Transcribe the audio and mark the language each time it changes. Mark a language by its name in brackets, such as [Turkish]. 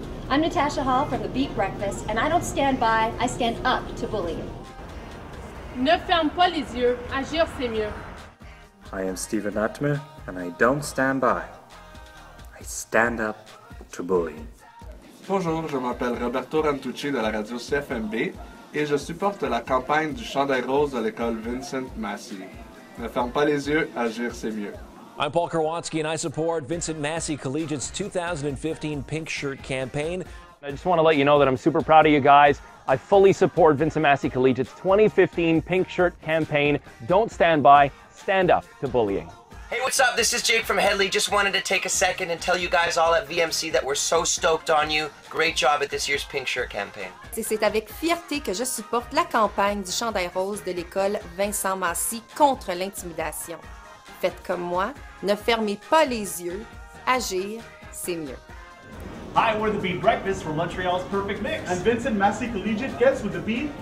[English] I'm Natasha Hall from The Beat Breakfast, and I don't stand by, I stand up to bullying. [French] Ne ferme pas les yeux. Agir, c'est mieux. [English] I am Steven Atmer, and I don't stand by. I stand up to bullying. [French] Bonjour, je m'appelle Roberto Rantucci de la radio CFMB. Et je supporte la campagne du chandail rose de l'école Vincent Massey. Ne ferme pas les yeux, agir c'est mieux. [English] I'm Paul Krawatsky and I support Vincent Massey Collegiate's 2015 Pink Shirt campaign. I just want to let you know that I'm super proud of you guys. I fully support Vincent Massey Collegiate's 2015 Pink Shirt campaign. Don't stand by, stand up to bullying. Hey, what's up? This is Jake from Headley. Just wanted to take a second and tell you guys all at VMC that we're so stoked on you. Great job at this year's Pink Shirt campaign. [French] C'est avec fierté que je supporte la campagne du chandail rose de l'école Vincent Massey contre l'intimidation. Faites comme moi, ne fermez pas les yeux, agir, c'est mieux. [English] Hi, we're the Bee Breakfast from Montreal's Perfect Mix. And Vincent Massey Collegiate gets with the Bee